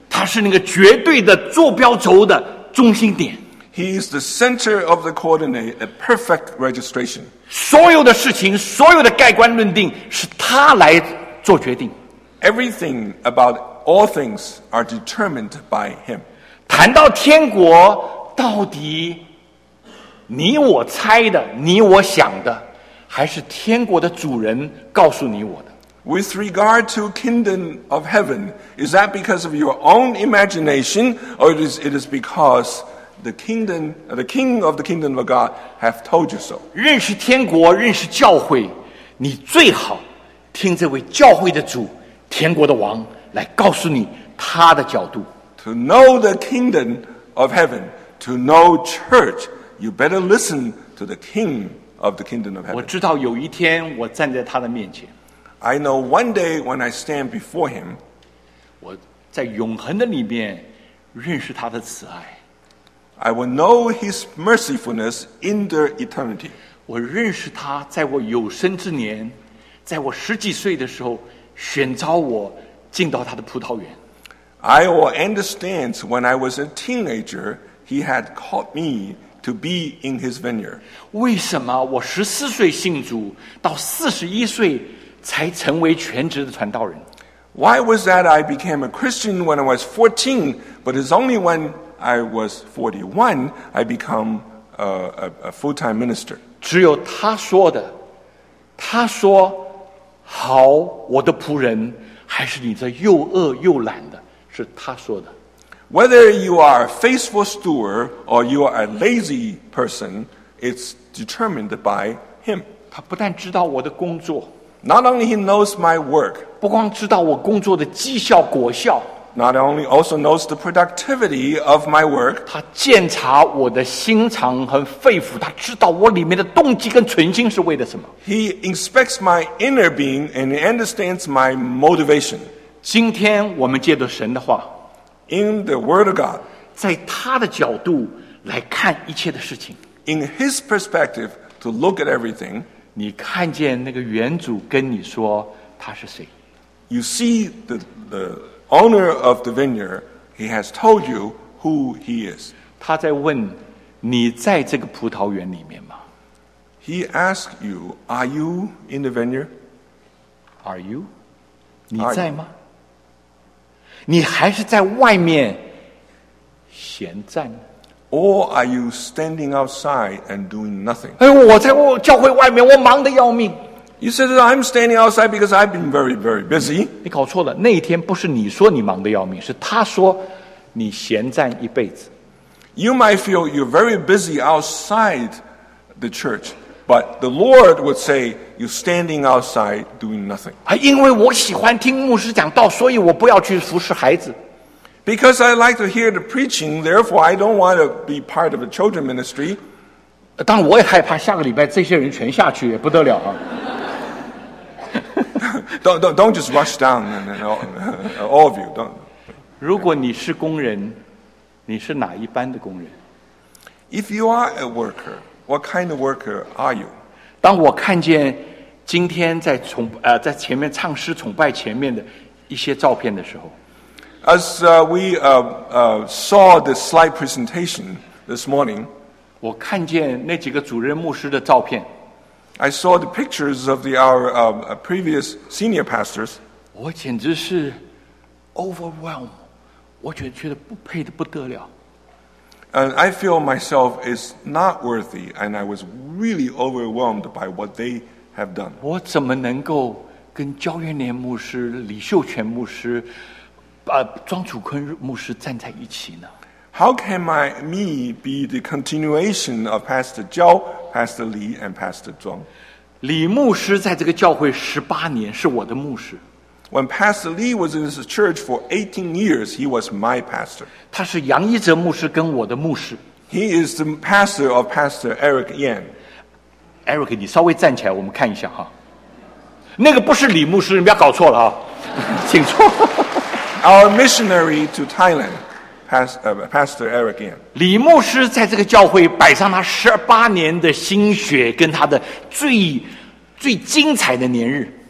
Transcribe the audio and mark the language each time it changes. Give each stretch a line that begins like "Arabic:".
Chinese: 他是那个绝对的坐标轴的中心点。
English: He is the center of the coordinate, a perfect registration.
Chinese: 所有的事情、所有的盖棺论定是他来做决定。
English: Everything about all things are determined by him.
Chinese: 谈到天国，到底你我猜的、你我想的，还是天国的主人告诉你我的？
English: With regard to kingdom of heaven, is that because of your own imagination, or it is because the king of the kingdom of God have told you so?
Chinese: 认识天国，认识教会，你最好听这位教会的主、天国的王来告诉你他的角度。
English: To know the kingdom of heaven, to know church, you better listen to the king of the kingdom of heaven.
Chinese: 我知道有一天我站在他的面前。
English: I know one day when I stand before him,
Chinese: 我在永恒的里面认识他的慈爱。
English: I will know his mercifulness in the eternity.
Chinese: 我认识他在我有生之年，在我十几岁的时候选召我进到他的葡萄园。
English: I will understand when I was a teenager, he had called me to be in his vineyard.
Chinese: 为什么我十四岁信主，到四十一岁才成为全职的传道人？
English: Why was that I became a Christian when I was 14, but it's only when I was 41 I become a full-time minister?
Chinese: 只有他说的，他说，好，我的仆人。还是你这又饿又懒的，是他说的。
English: Whether you are a faithful steward or you are a lazy person, it's determined by him.
Chinese: 他不但知道我的工作，
English: Not only he knows my work,
Chinese: 不光知道我工作的绩效果效，
English: not only also knows the productivity of my work,
Chinese: 他检查我的心肠和肺腑，他知道我里面的动机跟存心是为了什么。
English: He inspects my inner being and understands my motivation.
Chinese: 今天我们借着神的话，
English: In the word of God,
Chinese: 在他的角度来看一切的事情，
English: In his perspective to look at everything,
Chinese: 你看见那个原主跟你说他是谁。
English: You see the owner of the vineyard, he has told you who he is.
Chinese: 他在问你在这个葡萄园里面吗？
English: He asks you, are you in the vineyard? Are you?
Chinese: 你在吗？
English: You?
Chinese: 你还是在外面闲站？
English: Or are you standing outside and doing nothing?
Chinese: 哎，我在教会外面，我忙得要命。
English: You said that I'm standing outside because I've been very, very busy.
Chinese: 你搞错了，那一天不是你说你忙得要命，是他说你闲站一辈子。
English: You might feel you're very busy outside the church, but the Lord would say you're standing outside doing nothing.
Chinese: 因为我喜欢听牧师讲道，所以我不要去服侍孩子。
English: Because I like to hear the preaching, therefore I don't want to be part of the children ministry.
Chinese: 当然我也害怕下个礼拜这些人全下去，也不得了啊。
English: don't just rush down, all of you. Don't.
Chinese: 如果你是工人，你是哪一般的工人？
English: If you are a worker, what kind of worker are you?
Chinese: 当我看见今天在崇在前面唱诗崇拜前面的一些照片的时候，
English: As we saw the slide presentation this morning,
Chinese: 我看见那几个主任牧师的照片。
English: I saw the pictures of our previous senior pastors.
Chinese: 我简直是 overwhelmed. 我觉得不配得不得了。
English: And I feel myself is not worthy, and I was really overwhelmed by what they have done.
Chinese: 我怎么能够跟焦元年牧师、李秀全牧师、庄楚坤牧师站在一起呢？
English: How can me be the continuation of Pastor Zhao, Pastor Li, and Pastor Zhuang?
Chinese: 李牧师在这个教会十八年是我的牧师。
English: When Pastor Li was in this church for 18 years, he was my pastor.
Chinese: 他是杨一哲牧师跟我的牧师。
English: He is the pastor of Pastor Eric Yan.
Chinese: Eric, 你稍微站起来，我们看一下哈。那个不是李牧师，你不要搞错了啊，请坐。
English: Our missionary to Thailand. Pastor Eric Yan.
Chinese: 李牧师在这个教会摆上他十八年的心血跟他的最最精彩的年日。